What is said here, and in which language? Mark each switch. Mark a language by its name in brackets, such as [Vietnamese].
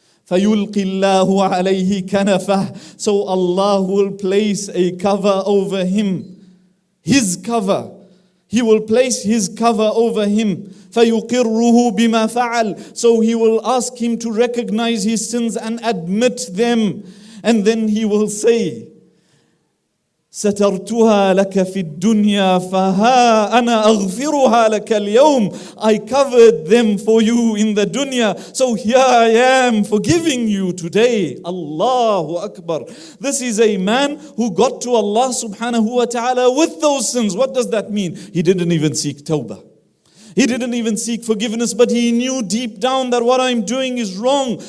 [Arabic] فَيُلْقِ اللَّهُ عَلَيْهِ كَنَفَهُ. [English] So Allah will place a cover over him. His cover. He will place his cover over him. [Arabic] فَيُقِرُّهُ بِمَا فَعَلْ. [English] So he will ask him to recognize his sins and admit them. And then he will say, [Arabic] سَتَرْتُهَا لَكَ فِي الدُّنْيَا فَهَا أَنَا أَغْفِرُهَا لَكَ الْيَوْمِ. [English] I covered them for you in the dunya, so here I am forgiving you today. Allahu Akbar. This is a man who got to Allah subhanahu wa ta'ala with those sins. What does that mean? He didn't even seek tawbah. He didn't even seek forgiveness, but he knew deep down that what I'm doing is wrong.